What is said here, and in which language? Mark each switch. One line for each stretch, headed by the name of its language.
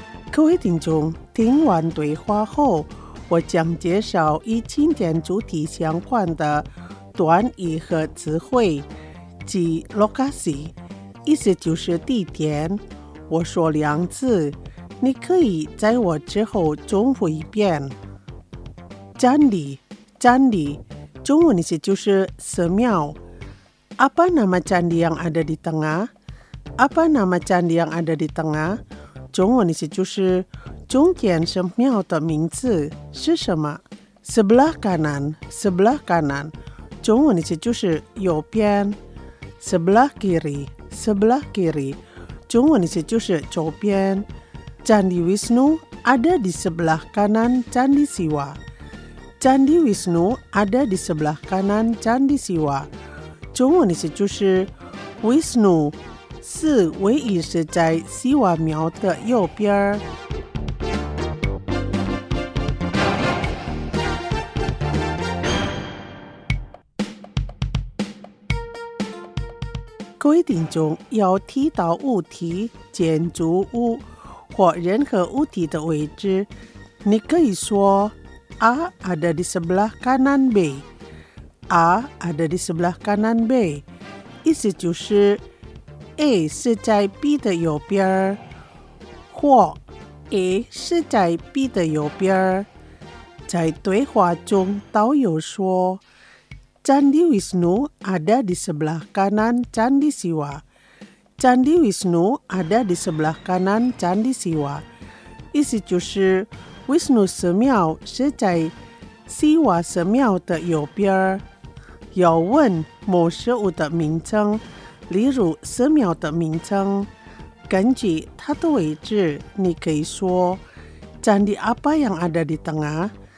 Chinese: 各位听众，听完对话后，我将介绍与今天主题相关的短语和词汇，即 Lokasi， 意思就是地点。我说两次，你可以在我之后重复一遍。
Indonesian: Candi， Candi，
Chinese: 中文意思就是寺庙。
Indonesian: Apa nama candi yang ada di tengah？ Apa nama candi yang ada di tengah？
Chinese: 中文意思就是中间神庙的名字是什么。
Indonesian: Sebelah kanan， Sebelah kanan，
Chinese: 中文意思就是右边。
Indonesian: Sebelah kiri， Sebelah kiri，
Chinese: 中文意思就是左边。
Indonesian: Candi Wisnu ada di sebelah kanan Candi Siwa， Candi Wisnu ada di sebelah kanan Candi Siwa，
Chinese: 中文意思就是 Wisnu是唯一是在西瓦庙的右边。各位听众，要提到物体、建筑物或任何物体的位置，你可以说
Indonesian: A ada di sebelah kanan B，
Chinese: A ada di sebelah kanan B， 意思就是A 是在 B 的右边，或 A 是在 B 的右边。在对话中，导游说 ：
Indonesian: “Candi Wisnu ada di sebelah kanan Candi Siwa。” Candi Wisnu ada di sebelah kanan Candi Siwa。
Chinese: 意思就是 ，Wisnu 寺庙是在 Siwa 寺庙的右边。要问某事物的名称。例如寺庙的名称，根据它的位置，你可以说
Indonesian: Candi apa yang ada di tengah？